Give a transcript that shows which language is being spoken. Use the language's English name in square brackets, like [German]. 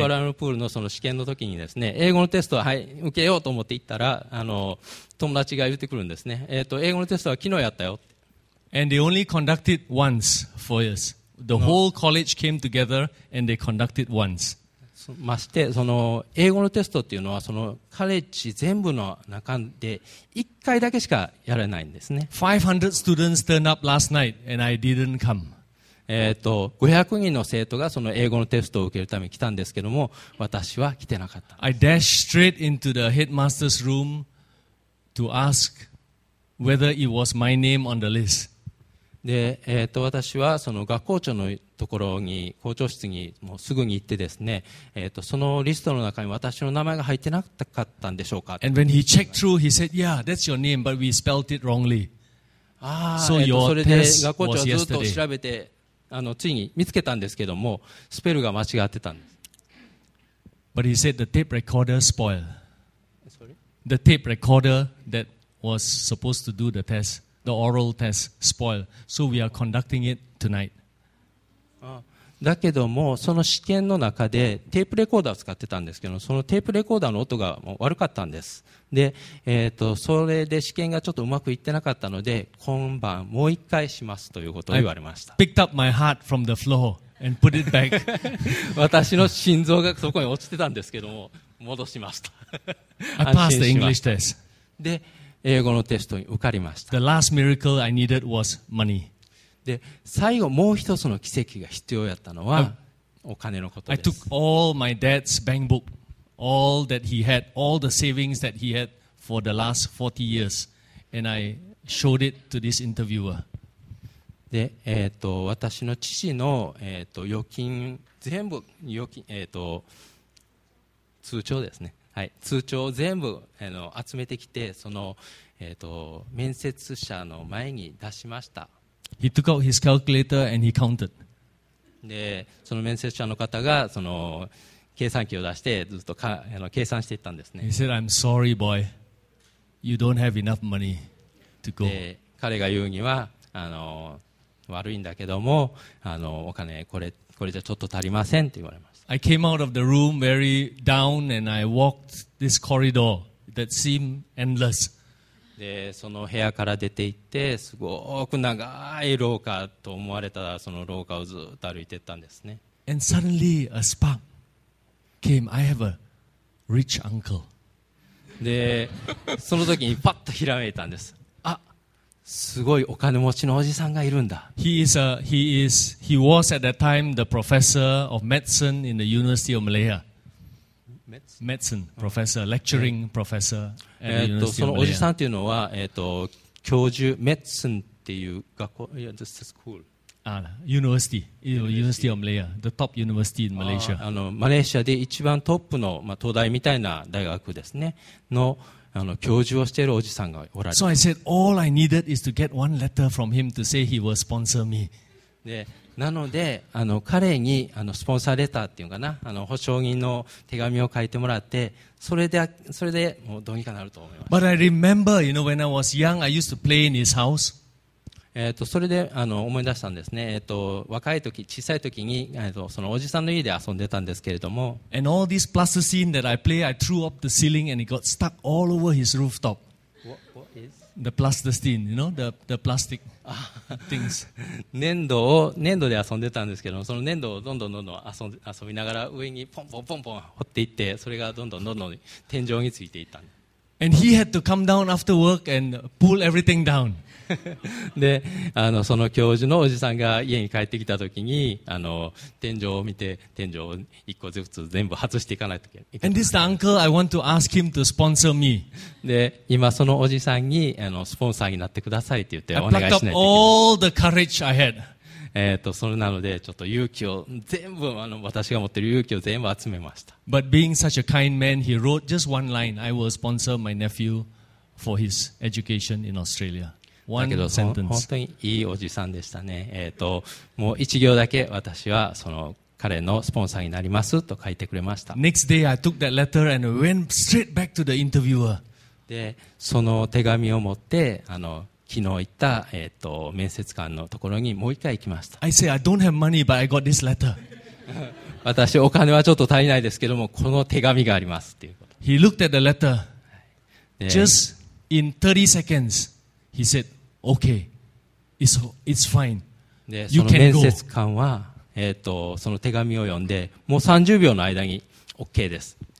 [Japanese] Kuala Lumpur のその試験の時にですね、英語のテストを、はい、受けようと思って行ったら、友達が言ってくるんですね。英語のテストは昨日やったよ。 [English] And they only conducted once for us. The whole college came together and they conducted once. [Japanese] まして、その英語のテストっていうのは、そのカレッジ全部の中で1回だけしかやれないんですね。 [English] 500 students turned up last night and I didn't come. [Japanese] 500人の生徒がその英語のテストを受けるために来たんですけども、私は来てなかった。 [English] I dashed straight into the headmaster's room to ask whether it was my name on the list. [Japanese] で私はその学校長のところに校長室にもうすぐに行ってですね、そのリストの中に私の名前が入ってなかったんでしょうか。 [English] And when he checked through, he said, yeah, that's your name, but we spelled it wrongly. So your test was yesterday. [Japanese] 学校長はずっと調べてついに見つけたんですけども、スペルが間違ってたんです。 [English] But he said the tape recorder spoiled. The tape recorder that was supposed to do the testThe oral test spoiled. So we are conducting it tonight. [Japanese] だけどもその試験の中でテープレコーダーを使ってたんですけど、そのテープレコーダーの音がもう悪かったんです。で、それで試験がちょっとうまくいってなかったので、今晩もう一回しますということを言われました。 [English] I picked up my heart from the floor and put it back. [Japanese] 私の心臓がそこに落ちてたんですけども、戻しました。 [English] I passed the English test. [Japanese] で英語のテストに受かりました。 [English] The last miracle I needed was money. [Japanese] で最後もう一つの奇跡が必要やったのはお金のことです。 [English] I took all my dad's bank book, all that he had, all the savings that he had for the last 40 years, and I showed it to this interviewer. [Japanese] で、私の父の、預金全部、預金、通帳ですね、はい、通帳を全部集めてきて、その、面接者の前に出しました。 [English] He took out his calculator and he counted. [Japanese] でその面接者の方がその計算機を出してずっと計算していったんですね。 [English] He said, I'm sorry boy, you don't have enough money to go. [Japanese] で彼が言うには悪いんだけども、お金これじゃちょっと足りませんって言われました。 [English] I came out of the room very down and I walked this corridor that seemed endless. [Japanese] で、その部屋から出て行って、すごく長い廊下と思われたその廊下をずっと歩いていったんですね。 [English] And suddenly a spark came. I have a rich uncle. [Japanese] で、その時にパッとひらめいたんです。あ、すごいお金持ちのおじさんがいるんだ。 [English] He was at that time the professor of medicine in the University of Malaya. Medicine professor, lecturing professor at the University of Malaya. [Japanese] そのおじさんというのは、教授、メッツンっていう学校、 [English] yeah, this is cool. University of Malaya, the top university in Malaysia. [Japanese] マレーシアで一番トップの、まあ、東大みたいな大学ですね。の教授をしているおじさんがおられた。 [English] So I said, all I needed is to get one letter from him to say he will sponsor me. [Japanese] で、なので、彼にスポンサーレターっていうかな、保証人の手紙を書いてもらって、それでもうどうにかなると思います。 [English] But I remember, you know, when I was young, I used to play in his house. [Japanese] それで思い出したんですね。若い時、小さい時に、そのおじさんの家で遊んでたんですけれども。 [English] And all this plasticine that I play, I threw up the ceiling and it got stuck all over his rooftop. What is? The plasticine, you know, the plastic things. [Japanese] 粘土で遊んでたんですけども、その粘土をどんどん遊びながら上にポンポンポンポン掘っていって、それがどんどん天井についていったんです。 [English] And he had to come down after work and pull everything down. [Japanese] で、その教授のおじさんが家に帰ってきたときに、天井を見て、天井を一個ずつ全部外していかないといけない。 [English] And this uncle, I want to ask him to sponsor me. [Japanese] で、今そのおじさんに、スポンサーになってくださいって言ってお願いしないといけない。 [English] I plucked up all the courage I had. [Japanese] それなので、ちょっと勇気を全部、私が持ってる勇気を全部集めました。 [English] But being such a kind man, he wrote just one line, I will sponsor my nephew for his education in Australia. [Japanese] だけど本当にいいおじさんでしたね。もう一行だけ私はその彼のスポンサーになりますと書いてくれました。 [English] Next day I took that letter and went straight back to the interviewer. [Japanese] で、その手紙を持って昨日行った面接官のところにもう一回行きました。 [English] I say I don't have money but I got this letter. [Japanese] 私お金はちょっと足りないですけどもこの手紙がありますっていうこと。 [English] He looked at the letter. Just in 30 seconds. He said, "Okay, it's fine. [Japanese] で、その面接官は、その手紙を読んで、もう30秒の間に OK です。